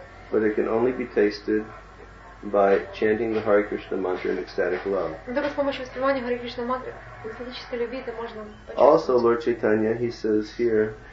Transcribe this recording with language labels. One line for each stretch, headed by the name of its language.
English: But it can only be tasted by chanting the Hare Krishna mantra in ecstatic love.
Russian: Только с помощью воспевания Hare Krishna mantra в эстетической любви это можно почувствовать.
English: Also, Lord Chaitanya, he says here.